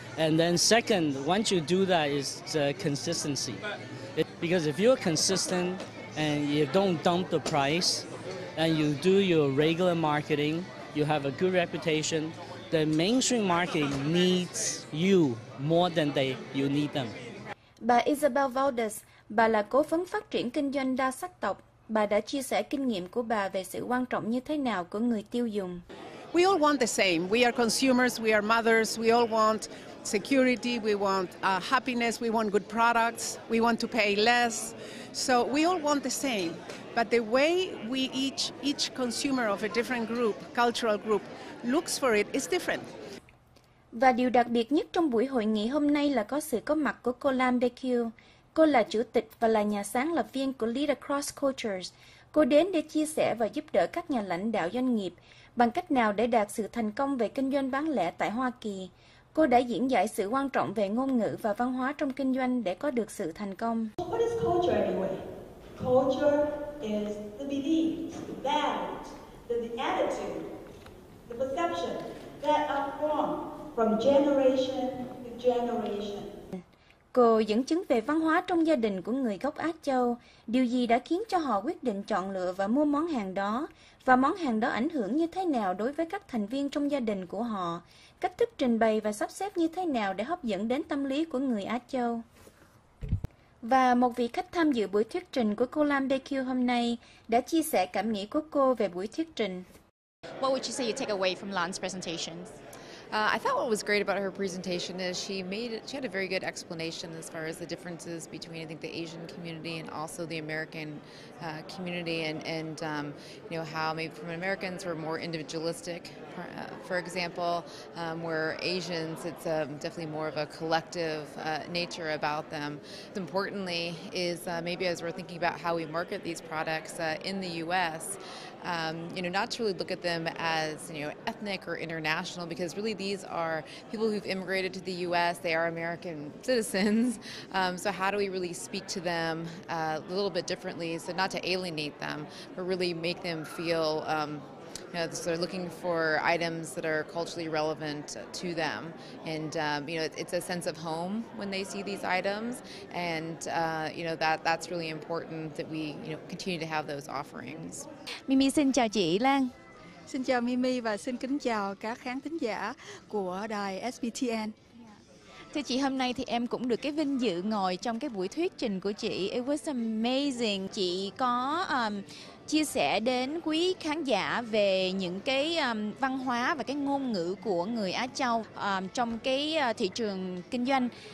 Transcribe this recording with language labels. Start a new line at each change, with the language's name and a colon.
English: And then second, once you do that, is consistency. Because if you're consistent and you don't dump the price and you do your regular marketing, you have a good reputation, the mainstream market needs you more than you need them.
Vietnamese: Bà Isabel Valdez, bà là cố vấn phát triển kinh doanh đa sắc tộc. Bà đã chia sẻ kinh nghiệm của bà về sự quan trọng như thế nào của người tiêu dùng.
English: We all want the same. We are consumers, we are mothers, we all want security, we want happiness, we want good products, we want to pay less. So we all want the same. But the way we each consumer of a different group, cultural group, looks for it is different.
Vietnamese: Và điều đặc biệt nhất trong buổi hội nghị hôm nay là có sự có mặt của cô Lam Dekieu. Cô là chủ tịch và là nhà sáng lập viên của Lead Across Cultures. Cô đến để chia sẻ và giúp đỡ các nhà lãnh đạo doanh nghiệp bằng cách nào để đạt sự thành công về kinh doanh bán lẻ tại Hoa Kỳ. Cô đã diễn giải sự quan trọng về ngôn ngữ và văn hóa trong kinh doanh để có được sự thành công.
English: What is culture anyway? Culture is the beliefs, the values, the attitude, the perception that are formed from generation to generation.
Vietnamese: Cô dẫn chứng về văn hóa trong gia đình của người gốc Á Châu, điều gì đã khiến cho họ quyết định chọn lựa và mua món hàng đó, và món hàng đó ảnh hưởng như thế nào đối với các thành viên trong gia đình của họ, cách thức trình bày và sắp xếp như thế nào để hấp dẫn đến tâm lý của người Á Châu. Và một vị khách tham dự buổi thuyết trình của cô Lam Dekieu hôm nay đã chia sẻ cảm nghĩ của cô về buổi thuyết trình.
English: What would you say you take away from Lam's presentations? I thought what was great about her presentation is she had a very good explanation as far as the differences between, I think, the Asian community and also the American community, and you know, how maybe from Americans were more individualistic, for example, where Asians, it's definitely more of a collective nature about them. Importantly is maybe as we're thinking about how we market these products in the U.S., you know, not to really look at them as, you know, ethnic or international, because really these are people who've immigrated to the U.S. They are American citizens. So how do we really speak to them a little bit differently? So not to alienate them, but really make them feel, you know, so they're looking for items that are culturally relevant to them. And, you know, it's a sense of home when they see these items. And, you know, that's really important that we, you know, continue to have those offerings.
Vietnamese: Mimi, xin chào chị Lan. Xin chào Mimi và xin kính chào các khán thính giả của đài SBTN. Thưa chị, hôm nay thì em cũng được cái vinh dự ngồi trong cái buổi thuyết trình của chị.
English: It was amazing.
Vietnamese: Chị có chia sẻ đến quý khán giả về những cái văn hóa và cái ngôn ngữ của người Á Châu trong cái thị trường kinh doanh.